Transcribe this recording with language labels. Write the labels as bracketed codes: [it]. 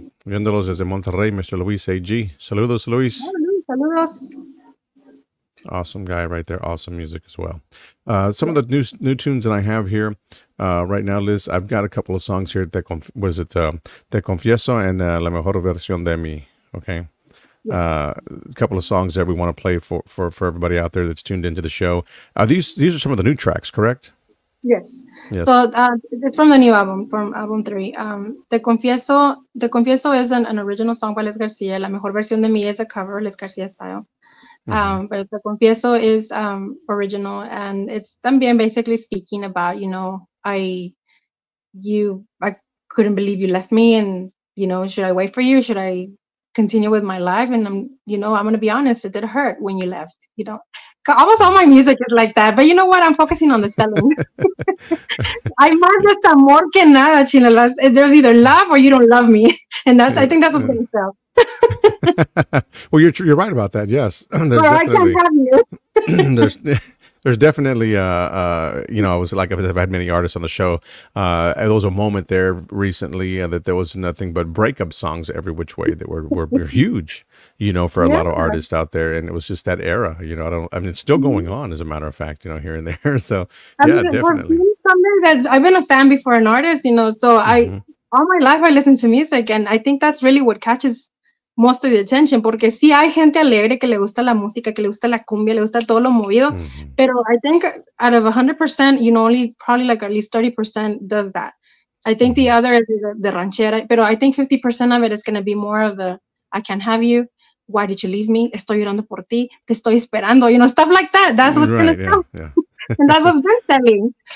[es] Viéndolos desde Monterrey, Mr. Luis A.G. Saludos, Luis. Saludos. [en] Awesome guy right there. Awesome music as well. Some of the new tunes that I have here right now, Liz, I've got a couple of songs here. Te Confieso and La Mejor Versión de Mí. Okay. Yes. A couple of songs that we want to play for everybody out there that's tuned into the show. These are some of the new tracks, correct? Yes. So it's from the new album, from album 3. Te Confieso is an original song by Les Garcia. La Mejor Versión de Mí is a cover, Les Garcia style. But Te Confieso is original, and it's también basically speaking about, you know, I couldn't believe you left me, and, you know, should I wait for you? Should I continue with my life? And I'm going to be honest, it did hurt when you left, you know. Almost all my music is like that, but you know what? I'm focusing on the selling. I marked [es] amor que nada, [en] chinelas. There's either love or you don't love me, and that's I think that's what's going to sell. Well, you're right about that. Yes, there's well, definitely. I can't have you. there's definitely you know, I was like, I've had many artists on the show. There was a moment there recently that there was nothing but breakup songs every which way that were huge. You know, for a lot of artists out there, and it was just that era. You know, it's still going on, as a matter of fact. You know, here and there. So definitely. I've been a fan before an artist. You know, so all my life I listen to music, and I think that's really what catches most of the attention. [es] Porque sí hay gente alegre que le gusta la música, que le gusta la cumbia, le gusta todo lo movido. Mm-hmm. [en] Pero I think out of 100%, you know, only probably like at least 30% does that. I think the other is the ranchera. Pero I think 50% of it is going to be more of the I can't have you. Why did you leave me? [es] Estoy llorando por ti. Te estoy esperando. [en] You know, stuff like that. That's what's going to sell. And that's what's been selling.